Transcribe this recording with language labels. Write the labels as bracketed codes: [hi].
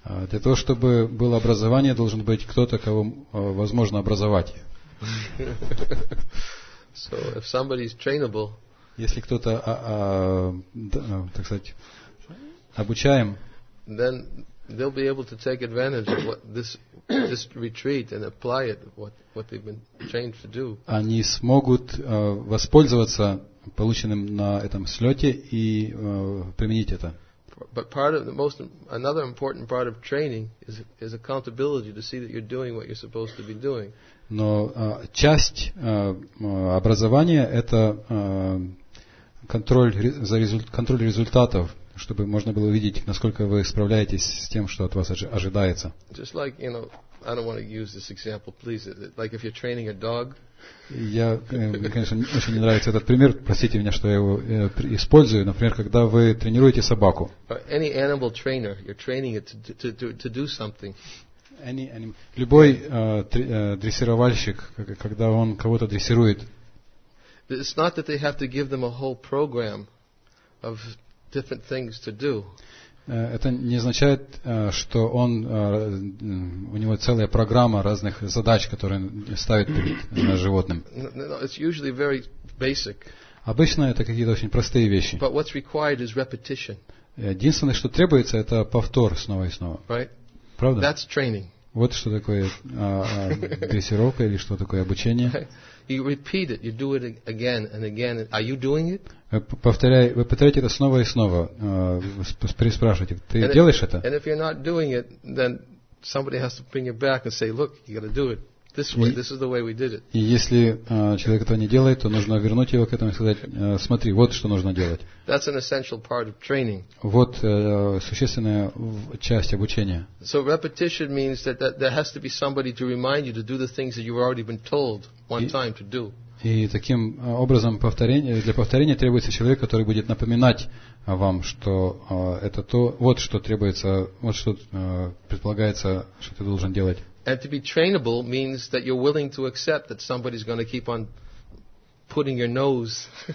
[ru] Для того, чтобы было образование, должен быть кто-то, кого возможно образовать. [en] So if somebody is trainable, [ru] если кто-то, так сказать, обучаем, [en] then they'll be able to take advantage of what this retreat and apply it what they've been trained to do. [ru] Они смогут воспользоваться полученным на этом слете и применить это. [en] But part of the most another important part of training is accountability to see that you're doing what you're supposed to be doing. [ru] Но часть образования это контроль результатов, чтобы можно было увидеть, насколько вы справляетесь с тем, что от вас ожидается. [en] Just like, you know, I don't want to use this example, please. Like if you're training a dog. [ru] Я, конечно, очень не нравится этот пример. Простите меня, что я его использую. Например, когда вы тренируете собаку. [en] Any animal trainer, you're training it to do something. [ru] Любой дрессировальщик, когда он кого-то дрессирует. [en] It's not that they have to give them a whole program of different things to do. [ru] Это не означает, что он, у него целая программа разных задач, которые ставит перед животным. [en] No, it's usually very basic. [ru] Обычно это какие-то очень простые вещи. [en] But what's required is repetition. [ru] Единственное, что требуется, это повтор снова и снова. [en] Right? [ru] Правда? [en] That's training. [ru] Вот что такое дрессировка или что такое обучение. [en] You repeat it, you do it again and again. Are you doing it? [ru] Вы повторяете это снова и снова. Переспрашиваете, ты делаешь это? [en] And if you're not doing it, then somebody has to bring you back and say, look, you got to do it. This way, this is the way we did it. [ru] И если человек этого не делает, то нужно вернуть его к этому и сказать: смотри, вот что нужно делать. [en] That's an essential part of training. [ru] Вот существенная часть обучения. [en] So repetition means that, that there has to be somebody to remind you to do the things that you've already been told one time to do. [ru] И таким образом повторение, для повторения требуется человек, который будет напоминать вам, что это то, вот что требуется, вот что предполагается, что ты должен делать. [en] And to be trainable means that you're willing to accept that somebody's going to keep on putting your nose.